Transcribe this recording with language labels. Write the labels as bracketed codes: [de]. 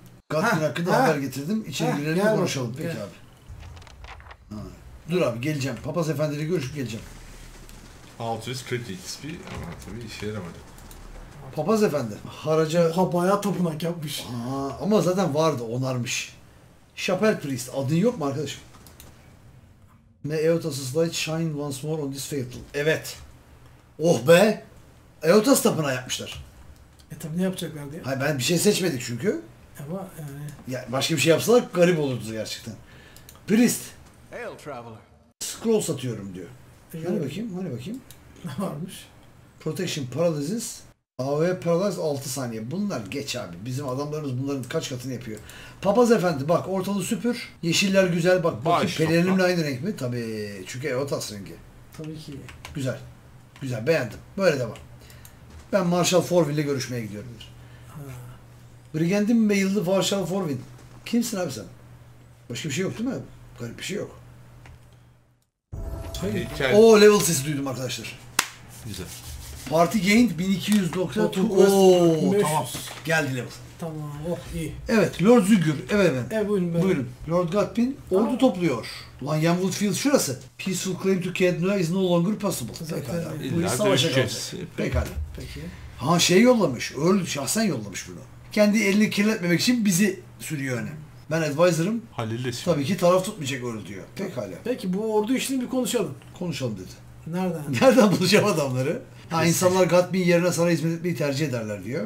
[tr] Gatlin hakkında haber getirdim. İçeri girelim konuşalım. Peki abi. Ha. Dur abi geleceğim. Papaz efendiyle görüşüp geleceğim. 600 kredi XP ama tabii işe yaramadı. Papaz efendi. Haraca... Ha bayağı tapınak yapmış. Ama zaten vardı onarmış. Chapel Priest adın yok mu arkadaşım? [en] May Eotas' light shine once more on this fatal. [tr] Evet. Oh be! Eotas tapınağı yapmışlar. E tabi ne yapacaklar diye. Hayır ben bir şey seçmedik çünkü. Ama yani... Ya başka bir şey yapsalar garip olurdu gerçekten. [en] Priest. Hail Traveler. [tr] Scroll satıyorum diyor. Hani bakayım? Ne varmış? Protection Paralysis. AV Paralyze 6 saniye. Bunlar geç abi. Bizim adamlarımız bunların kaç katını yapıyor. Papaz Efendi bak ortalığı süpür. Yeşiller güzel bak. Bakayım, pelerinimle aynı renk mi? Tabii. Çünkü Evotas rengi. Tabii ki. Güzel. Güzel. Beğendim. Böyle devam. Ben Marshall Forvin ile görüşmeye gidiyorum. Brigand'in mail'i Marshall Forvin. Kimsin abi sen? Başka bir şey yok değil mi? Garip bir şey yok. Hayır. Oo level sesi duydum arkadaşlar. Güzel. [en] Party Gained [tr] 1290. Ooo tamam. Geldi level. Tamam. Oh iyi. Evet. Lord Zügür. Evet ben. Evet buyurun. Ben. Buyurun. Lord Godpin ordu topluyor. Lan Yenwood Field şurası. [en] Peaceful claim to Cadnoa is no longer possible. [tr] Pekala. Bu iş savaşa kaldı. Pekala. Peki. Ha şey yollamış. Earl şahsen yollamış bunu. Kendi elini kirletmemek için bizi sürüyor önem. Ben advisor'ım. Halil'le şimdi. Tabii ki taraf tutmayacak Earl diyor. Pekala. Peki bu ordu işini bir konuşalım. Konuşalım dedi. Nereden? Nereden bulacağım adamları? Ha insanlar Godpin yerine sana hizmet etmeyi tercih ederler diyor.